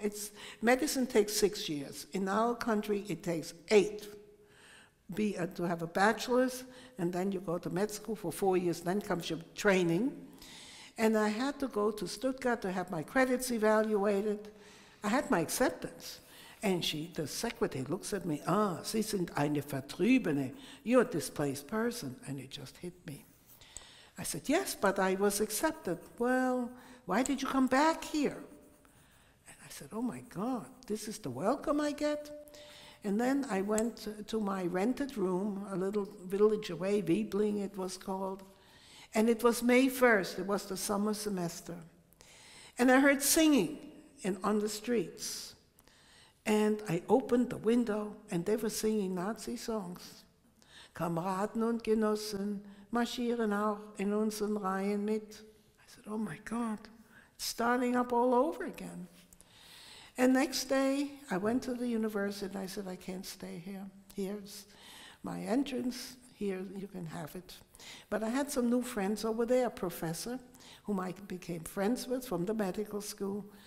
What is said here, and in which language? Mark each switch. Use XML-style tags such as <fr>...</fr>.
<en>It's medicine takes 6 years. In our country it takes 8. To have a bachelor's, and then you go to med school for 4 years, then comes your training. And I had to go to Stuttgart to have my credits evaluated. I had my acceptance. And the secretary looks at me,</en> <de>Sie sind eine Vertriebene.</de> <en>You're a displaced person. And it just hit me. I said, yes, but I was accepted. Well, why did you come back here? And I said, oh my God, this is the welcome I get? And then I went to my rented room, a little village away, Wiebling it was called. And it was May 1st, it was the summer semester. And I heard singing on the streets. And I opened the window, and they were singing Nazi songs.</en> <de>Kameraden und Genossen marschieren auch in unseren Reihen mit.</de> <en>I said, oh my God, it's starting up all over again. And next day, I went to the university, and I said, I can't stay here. Here's my entrance. Here, you can have it. But I had some new friends over there, a professor, whom I became friends with from the medical school.</en>